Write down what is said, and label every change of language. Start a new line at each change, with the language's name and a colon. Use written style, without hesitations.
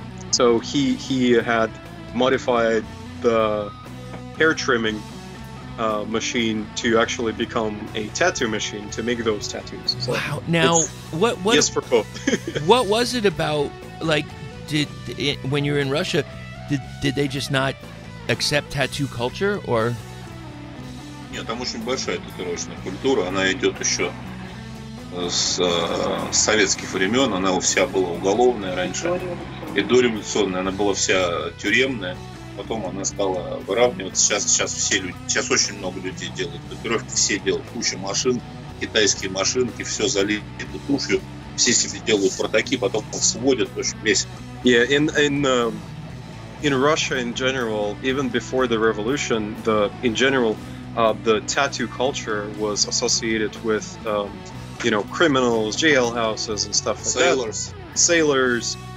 English: So he had modified the hair trimming machine to actually become a tattoo machine to make those tattoos. So wow. Now what? Yes, for both. What was it about? Like, did it, when you were in Russia, did they just not accept tattoo culture, or?
Russian: Нет, там очень большая татуировочная культура. Она идет еще с советских времен. Она вся была уголовная раньше и дореволюционная. Она была вся тюремная. Потом она стала выравниваться. Сейчас очень много людей делают татуировки. Все делают кучу машин, китайские машинки, все залито тушью. Все себе делают протоки, потом их сводят, в общем, весь.
English: Yeah, in Russia in general, even before the revolution, the tattoo culture was associated with, you know, criminals, jailhouses and stuff like sailors. That. Sailors.